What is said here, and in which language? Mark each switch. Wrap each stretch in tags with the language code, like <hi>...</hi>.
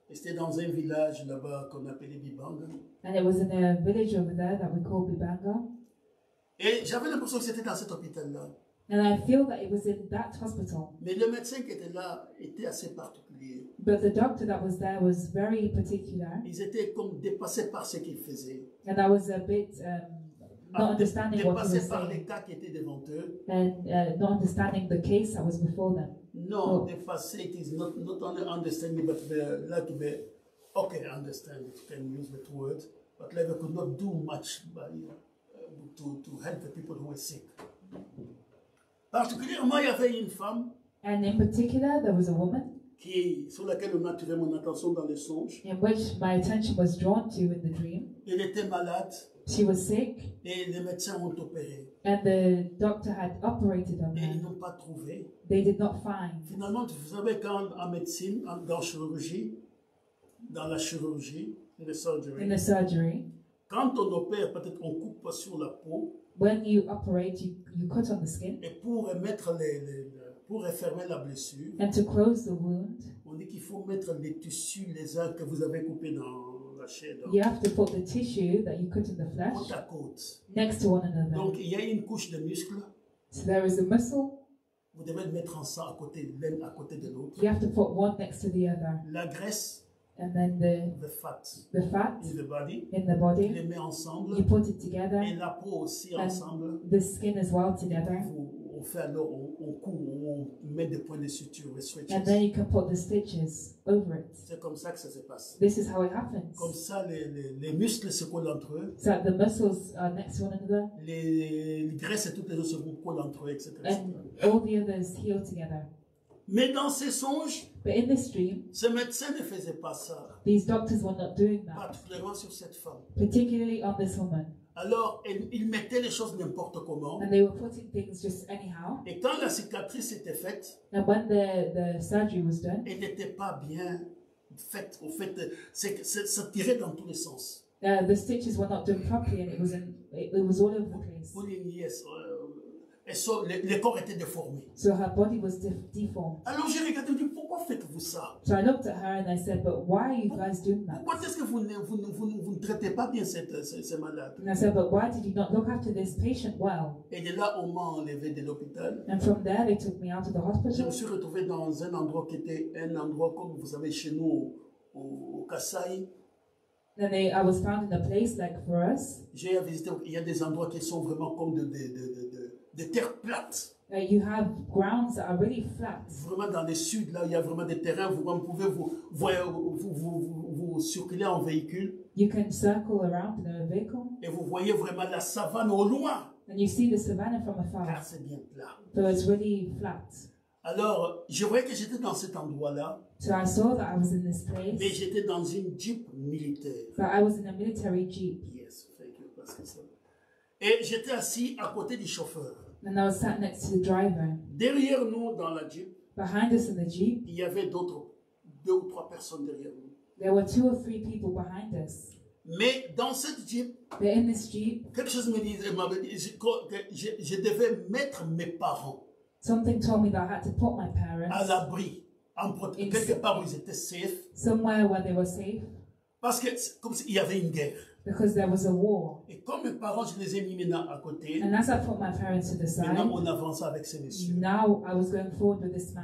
<fr>Et c'était dans un village là-bas qu'on appelait Bibanga.</fr> <en>And it was in a village over there that we called Bibanga.</en> <fr>Et j'avais l'impression que c'était dans cet hôpital-là.</fr> <en>And I feel that it was in that hospital.</en> <fr>Mais le médecin qui était là était assez particulier.</fr> <en>But the doctor that was there was very particular.</en> <fr>Ils étaient comme dépassés par ce qu'ils faisaient.</fr> <en>And I was a bit not understanding what he was saying.</en> <fr>Par les cas qui étaient devant eux.</fr> <en>And not understanding the case that was before them. No, oh. Dépassé, it is not only understanding, but understand, if you can use that word, but like they could not do much to help the people who were sick.</en> <fr>Particulièrement, il y avait une femme.</fr> <en>And in particular, there was a woman.</en> <fr>Qui, sur laquelle on a tiré mon attention dans les songes.</fr> <en>In which my attention was drawn to in the dream.</en> <fr>Elle était malade.</fr> <en>She was sick.</en> <fr>Et les médecins ont opéré.</fr> <en>And the doctor had operated on her.</en> <fr>Ils n'ont pas trouvé.</fr> <en>They did not find.</en> <fr>Finalement, vous savez quand en médecine, dans la chirurgie,</fr> <en>in the surgery.</en> <fr>Quand on opère, peut-être on coupe pas sur la peau.</fr> <en>When you operate, you cut on the skin.</en> <fr>Et pour remettre pour refermer la blessure.</fr> <en>And to close the wound.</en> <fr>On dit qu'il faut mettre les tissus, les os que vous avez coupés dans.</fr> <en>You have to put the tissue that you cut in the flesh</en> <fr>côte à côte.</fr> <en>Next to one another.</en> <fr>Donc, il y a une couche de muscles.</fr> <en>So there is a muscle.</en> <fr>Vous devez le mettre ensemble à côté, l'un à côté de l'autre.</fr> <en>You have to put one next to the other.</en> <fr>La graisse.</fr> <en>And then the fat. The fat. In the body. In the body.</en> <fr>Les mets ensemble.</fr> <en>You put it together.</en> <fr>Et la peau aussi ensemble.</fr> <en>The skin as well together.</en> <fr>On fait alors, on coud, on met des points de suture, des stitches.</fr> <en>And then you can put the stitches over it.</en> <fr>C'est comme ça que ça se passe.</fr> <en>This is how it happens.</en> <fr>Comme ça, les muscles se collent entre eux.</fr> <en>So the muscles are next to one another.</en> <fr>Les graisses et toutes les autres se collent entre eux, etc.</fr> <en>And all the others heal together.</en> <fr>Mais dans ces songes,</fr> <en>but in this dream,</en> <fr>ce médecin ne faisait pas ça.</fr> <en>These doctors were not doing that.</en> <fr>Particulièrement sur cette femme.</fr> <en>Particularly on this woman.</en> <fr>Alors, ils mettaient les choses n'importe comment.</fr> <en>And they were putting things just anyhow.</en> <fr>Et quand la cicatrice était faite,</fr> <en>and when the surgery was done,</en> <fr>elle n'était pas bien faite. Au fait, ça tirait dans tous les sens.</fr> <en>The stitches were not done properly, and it was all over the place. Pulling, yes.</en> <fr>Et so, le corps était déformé.</fr> <en>So her body was deformed.</en> <fr>Alors j'ai regardé et dit, pourquoi faites-vous ça?</fr> <en>So I looked at her and I said, but why are you guys doing that?</en> <fr>Pourquoi est-ce que vous ne traitez pas bien cette malade?</fr> <en>And I said, but why did you not look after this patient well?</en> <fr>Et de là, on m'a enlevé de l'hôpital.</fr> <en>And from there, they took me out of the hospital.</en> <fr>Je me suis retrouvé dans un endroit qui était un endroit comme vous savez chez nous, au Kasai.</fr> <en>Then I was found in a place like for us.</en> <fr>J'ai visité, il y a des endroits qui sont vraiment comme de terre plate.</fr> <en>You have grounds that are really flat.</en> <fr>Vraiment dans le sud, là, il y a vraiment des terrains où vous pouvez vous circuler en véhicule.</fr> <en>You can circle around in a vehicle.</en> <fr>Et vous voyez vraiment la savane au loin.</fr> <en>And you see the savannah from afar.</en> <fr>Car c'est bien plat.</fr> <en>So it's really flat.</en> <fr>Alors, je voyais que j'étais dans cet endroit-là.</fr> <en>So I saw that I was in this place.</en> <fr>Mais j'étais dans une jeep militaire.</fr> <en>But I was in a military jeep. Yes, thank you.</en> <fr>Parce que ça... Et j'étais assis à côté du chauffeur.</fr> <en>And I was sat next to the driver.</en> <fr>Derrière nous, dans la jeep.</fr> <en>Behind us in the jeep.</en> <fr>Il y avait d'autres, deux ou trois personnes derrière nous.</fr> <en>There were two or three people behind us.</en> <fr>Mais dans cette jeep.</fr> <en>But in this jeep.</en> <fr>Quelque chose me dit, je devais mettre mes parents.</fr> <en>Something told me that I had to put my parents.</en> <fr>À l'abri. Quelque part où ils étaient safe.</fr> <en>Somewhere where they were safe.</en> <fr>Parce que comme s'il y avait une guerre.</fr> <en>Because there was a war.</en> <fr>Et comme mes parents, je les ai mis maintenant à côté.</fr> <en>And as I put my parents to the side.</en> <fr>Maintenant, on avançait avec ces messieurs.</fr> <en>Now I was going forward with this man.</en>